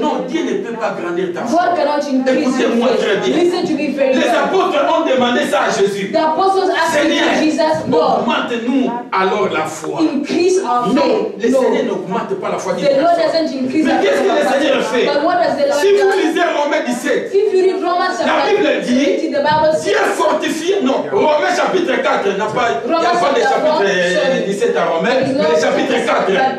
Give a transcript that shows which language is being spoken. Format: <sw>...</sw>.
<fr>Non, Dieu ne peut pas grandir ta foi.</fr> <en>God cannot increase my faith. Listen to me very well.</en> <fr>Les apôtres ont demandé ça à Jésus.</fr> <en>The apostles asked Jesus, God,</en> <fr>augmente nous alors la foi.</fr> <en>Increase our faith.</en> <fr>Non, le Seigneur n'augmente pas la foi.</fr> <en>God doesn't increase.</en> <fr>Mais qu'est-ce que le Seigneur fait?</fr> <en>But what does the Lord</en> <fr>si vous lisez Romains 17,</fr> <en>if you read Romans</en> <fr>la Bible dit,</fr> <en>the Bible says,</en> <fr>Dieu fortifie. Non, Romains chapitre 4, il n'y a pas le chapitre 17 à Romains, mais le chapitre 4.</fr>